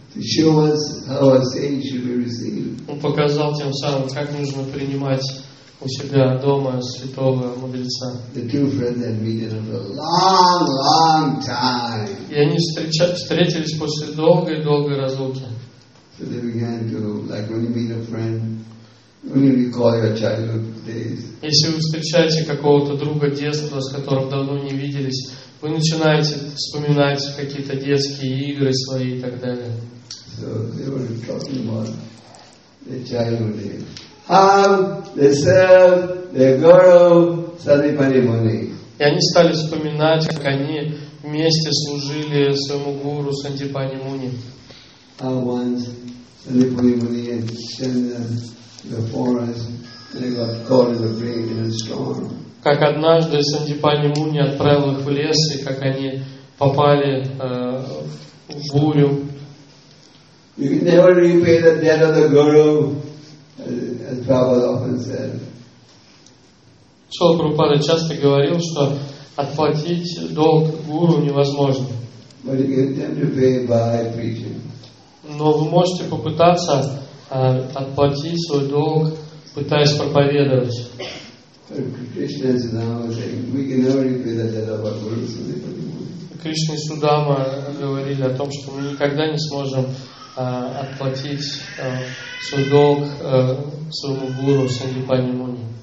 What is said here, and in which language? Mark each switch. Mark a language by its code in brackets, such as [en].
[en] To show us how our saints should be received. [ru] Он показал тем самым, как нужно принимать у себя дома святого мудреца. [en] The two friends had meeting for a long, long time. [ru] И они встретились после долгой разлуки. [en] So they began to, like when you meet a friend, when you recall your childhood days. [ru] Если вы встречаете какого-то друга детства, с которым давно не виделись, вы начинаете вспоминать какие-то детские игры свои и так далее. [en] So they were talking about their childhood days. How they serve their guru Satipati Muni. [ru] И они стали вспоминать, как они вместе служили своему гуру Сатипати Муни. [en] How once Satipati Muni had sent them to the forest and they got caught in a big and strong. [ru] Как однажды Сатипати Муни отправил их в лес и как они попали в бурю. [en] You can never repay the debt of the guru. As Prabhupada often said. [ru] Шрила Прабхупада часто говорил, что отплатить долг гуру невозможно. [en] But you can attempt to pay by preaching. [ru] Но вы можете попытаться отплатить свой долг, пытаясь проповедовать. Кришна и Судама говорили о том, что мы никогда не сможем отплатить свой долг своему гуру Сатипати Муни.